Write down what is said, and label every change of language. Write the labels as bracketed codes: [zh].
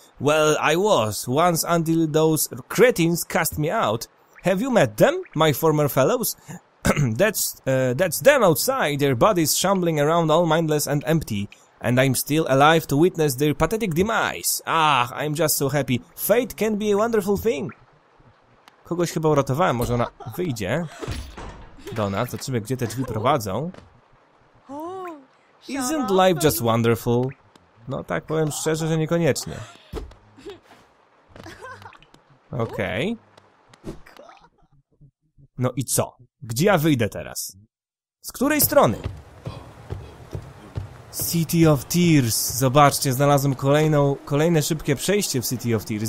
[en] Well, I was, once until those cretins cast me out. Have you met them, my former fellows? that's them outside, their bodies shambling around all mindless and empty. And I'm still alive to witness their pathetic demise. Ah, I'm just so happy. Fate can be a wonderful thing. [pl] Kogoś chyba uratowałem, może ona wyjdzie do nas. Zobaczymy, gdzie te drzwi prowadzą. [en] Isn't life just wonderful? [pl] No tak, powiem szczerze, że niekoniecznie. Okej. No i co? Gdzie ja wyjdę teraz? Z której strony? [en] City of Tears. [pl] Zobaczcie, znalazłem kolejne szybkie przejście w City of Tears.